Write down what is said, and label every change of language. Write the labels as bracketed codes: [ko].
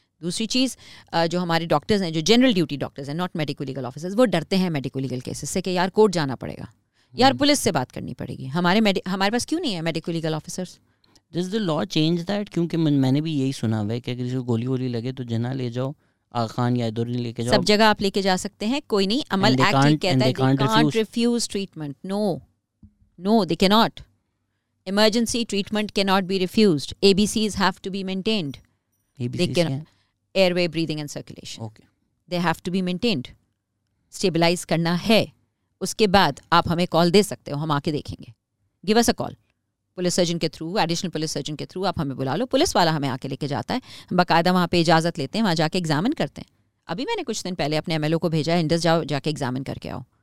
[ur] دوسری چیز جو ہمارے ڈاکٹرز ہیں, جو جنرل ڈیوٹی ڈاکٹرز ہیں, ناٹ میڈیکو لیگل آفیسرز, وہ ڈرتے ہیں میڈیکو لیگل کیسز سے, کہ یار کورٹ جانا پڑے گا, یار پولیس سے بات کرنی پڑے گی. ہمارے پاس کیوں نہیں ہے medico legal officers? [en] Does the law change that? [ur] کیونکہ میں نے بھی یہی سنا ہوا ہے کہ اگر کسی گولی وولی لگے تو جنا لے جاؤ, آغا خان یا ادھر لے کے جاؤ, سب جگہ آپ لے کے جا سکتے ہیں, کوئی نہیں. عمل ایکٹ کہتا ہے [en] They can't refuse treatment. No no they can not. Emergency treatment cannot be refused. ABCs have to be maintained. Airway, breathing and circulation. Okay. They have to be maintained. [ur] Stabilize کرنا ہے. اس کے بعد آپ ہمیں کال دے سکتے ہو, ہم آ کے دیکھیں گے. [en] Give us a call. [ur] Police surgeon کے تھرو, ایڈیشنل پولیس سرجن کے تھرو آپ ہمیں بلا لو. پولیس والا ہمیں آ کے لے کے جاتا ہے, ہم باقاعدہ وہاں پہ اجازت لیتے ہیں, وہاں جا کے ایگزامن کرتے ہیں. ابھی میں نے کچھ دن پہلے اپنے ایم ایل او کو بھیجا ہے, انڈس جاؤ جا کے ایگزامن کر کے آؤ.